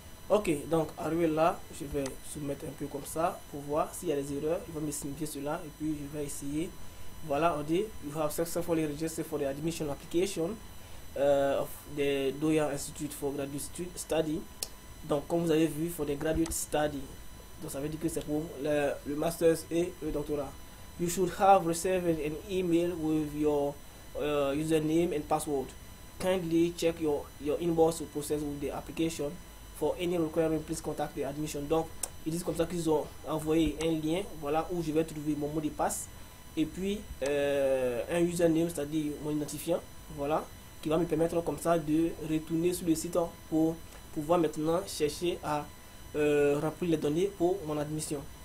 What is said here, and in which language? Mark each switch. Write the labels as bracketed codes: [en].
[fr] Ok, donc arrivé là, je vais soumettre un peu comme ça pour voir s'il y a des erreurs. Il va me signifier cela et puis je vais essayer. Voilà, on dit, [en] you have successfully registered for the admission application of the Doyen Institute for Graduate Study. [fr] Donc, comme vous avez vu, [en] for the graduate study. [fr] Donc, ça veut dire que c'est pour le master et le doctorat. [en] You should have received an email with your username and password. Kindly check your inbox to process with the application. For any requirement, please contact the admission. [fr] Donc, ils disent comme ça qu'ils ont envoyé un lien, voilà, où je vais trouver mon mot de passe et puis un username, c'est-à-dire mon identifiant, voilà, qui va me permettre comme ça de retourner sur le site pour pouvoir maintenant chercher à remplir les données pour mon admission.